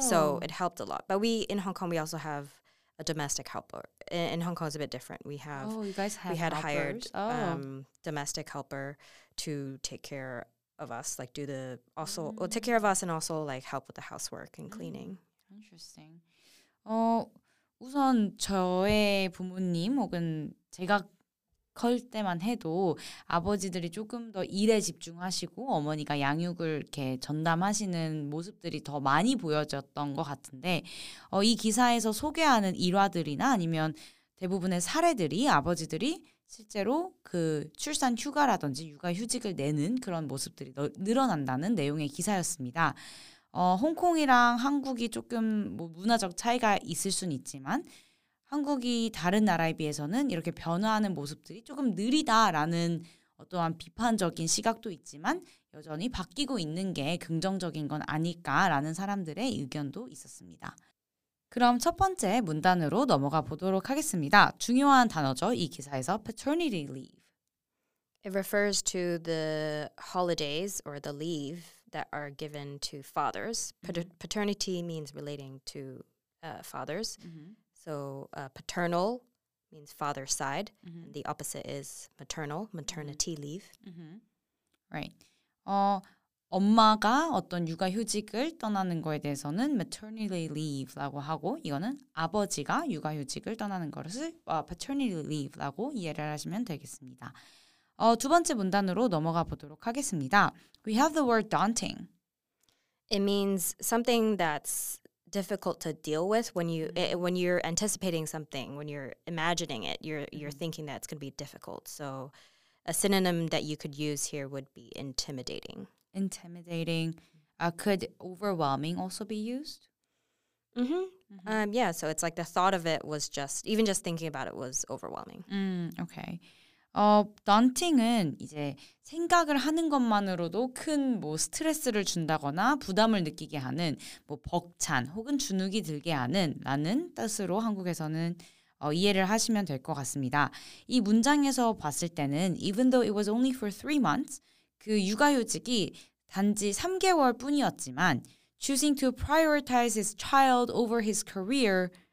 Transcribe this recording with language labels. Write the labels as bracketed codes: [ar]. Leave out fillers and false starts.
[en] So it helped a lot. But we, in Hong Kong, we also have a domestic helper. In Hong Kong, it's a bit different. We have hired domestic helper to take care of us, like do the also mm. well, take care of us and also like help with the housework and cleaning. Interesting. [ko] 우선 저의 부모님 혹은 제가 클 때만 해도 아버지들이 조금 더 일에 집중하시고 어머니가 양육을 이렇게 전담하시는 모습들이 더 많이 보여졌던 것 같은데 이 기사에서 소개하는 일화들이나 아니면 대부분의 사례들이 아버지들이 실제로 그 출산 휴가라든지 육아 휴직을 내는 그런 모습들이 늘어난다는 내용의 기사였습니다. 홍콩이랑 한국이 조금 뭐 문화적 차이가 있을 순 있지만 한국이 다른 나라에 비해서는 이렇게 변화하는 모습들이 조금 느리다라는 어떠한 비판적인 시각도 있지만 여전히 바뀌고 있는 게 긍정적인 건 아닐까라는 사람들의 의견도 있었습니다. 그럼 첫 번째 문단으로 넘어가 보도록 하겠습니다. 중요한 단어죠. 이 기사에서 paternity leave. [en] It refers to the holidays or the leave that are given to fathers. Paternity means relating to fathers. So paternal means father's side. The opposite is maternal, maternity leave. Right. [ko] 엄마가 어떤 육아휴직을 떠나는 거에 대해서는 maternity leave라고 하고 이거는 아버지가 육아휴직을 떠나는 것을 paternity leave라고 이해를 하시면 되겠습니다. 두 번째 문단으로 넘어가 보도록 하겠습니다. [en] We have the word daunting. It means something that's difficult to deal with when you when you're anticipating something, when you're imagining it, you're thinking that it's going to be difficult. So a synonym that you could use here would be intimidating. Intimidating. Could overwhelming also be used? Yeah, so it's like the thought of it was just, even just thinking about it was overwhelming. Okay. [ko] Daunting은 이제 생각을 하는 것만으로도 큰 뭐 스트레스를 준다거나 부담을 느끼게 하는 뭐 벅찬 혹은 주눅이 들게 하는 라는 뜻으로 한국에서는 이해를 하시면 될 것 같습니다. 이 문장에서 봤을 때는 [en] even though it was only for three months, [ko] 그 육아휴직이 단지 3개월 뿐이었지만 [en] choosing to prioritize his child over his career